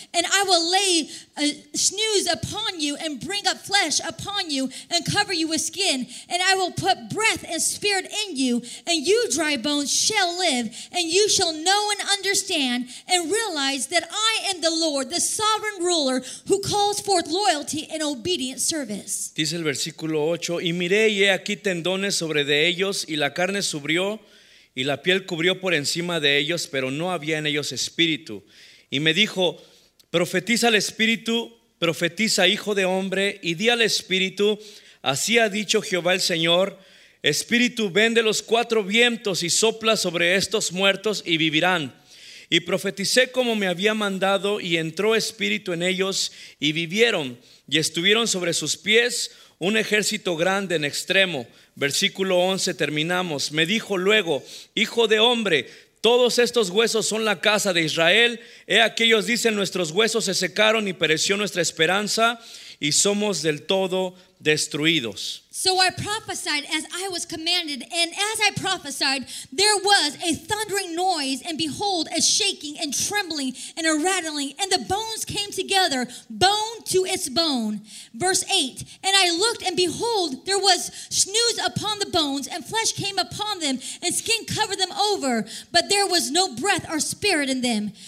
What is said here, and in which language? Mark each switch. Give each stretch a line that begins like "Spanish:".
English: And I will lay a snooze upon you and bring up flesh upon you and cover you with skin. And I will put breath and spirit in you, and you dry bones shall live. And you shall know and understand and realize that I am the Lord, the sovereign ruler, who calls forth loyalty and obedient service.
Spanish: Dice el versículo 8, y miré y he aquí tendones sobre de ellos, y la carne subió, y la piel cubrió por encima de ellos, pero no había en ellos espíritu. Y me dijo, profetiza al espíritu, profetiza hijo de hombre, y di al espíritu, así ha dicho Jehová el Señor, espíritu ven de los cuatro vientos y sopla sobre estos muertos y vivirán. Y profeticé como me había mandado y entró espíritu en ellos y vivieron y estuvieron sobre sus pies un ejército grande en extremo. Versículo 11 terminamos. Me dijo luego, hijo de hombre, todos estos huesos son la casa de Israel. He aquí ellos dicen, nuestros huesos se secaron y pereció nuestra esperanza y somos del todo destruidos.
English: So I prophesied as I was commanded, and as I prophesied, there was a thundering noise, and behold, a shaking and trembling and a rattling, and the bones came together, bone to its bone. Verse 8, and I looked, and behold, there was snooze upon the bones, and flesh came upon them, and skin covered them over, but there was no breath or spirit in them.